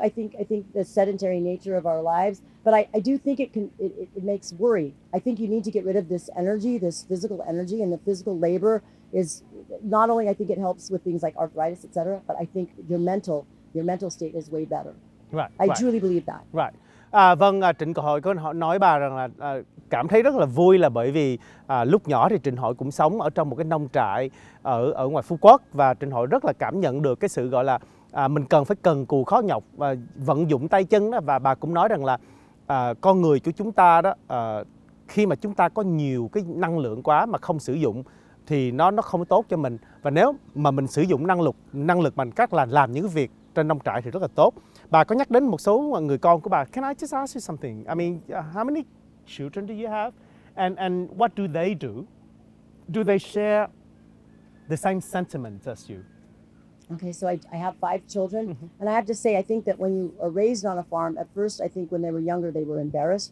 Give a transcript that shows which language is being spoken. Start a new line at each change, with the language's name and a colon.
English: I think the sedentary nature of our lives, but I do think it makes worry. I think you need to get rid of this energy, this physical energy, and the physical labor is not only, I think it helps with things like arthritis, etc., but I think your mental state is way better. Right. Truly believe that. Right.
Vietnamese: Trịnh Hội có nói bà rằng là cảm thấy rất là vui là bởi vì lúc nhỏ thì Trịnh Hội cũng sống ở trong một cái nông trại ở ngoài Phú Quốc, và Trịnh Hội rất là cảm nhận được cái sự gọi là mình cần phải cần cù khó nhọc và vận dụng tay chân đó. Và bà cũng nói rằng là con người của chúng ta đó, khi mà chúng ta có nhiều cái năng lượng quá mà không sử dụng thì nó không tốt cho mình. Và nếu mà mình sử dụng năng lực bằng cách là làm những việc trên nông trại thì rất là tốt. Bà có nhắc đến một số người con của bà.
English: Can I just ask you something? I mean, how many children do you have? And what do they do? Do they share the same sentiments as you? Okay, so I have 5 children. Mm-hmm. And I have to say, I think that when you are raised on a farm, at first, I think when they were younger, they were embarrassed.